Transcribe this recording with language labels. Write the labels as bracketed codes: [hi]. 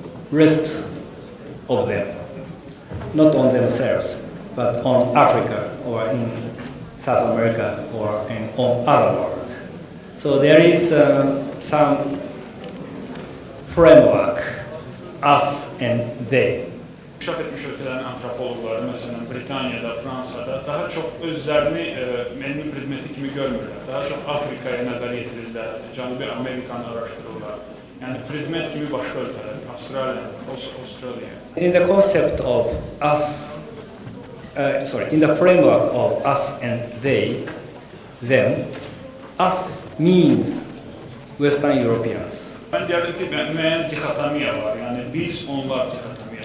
[en] rest of them, not on themselves, but on Africa or in South America or in on other world. So there is some framework, us and they. [az] Şəhər etmiş ölkələrin antropologları, məsələn, Britaniyada, Fransada daha çox özlərini mənim predmeti kimi görmürlər. Daha çox Afrikaya nəzər yetirirlər, Cənubi Amerikanı araşdırırlar. Yəni, predmet kimi başqa ölkələr, Avstraliya, Australia. [en] In the concept of us, in the framework of us and they, them, us means Western Europeans. [az] Mən deyərdim ki, müəyyən dixotomiya var, yəni biz, onlar dixotomiya.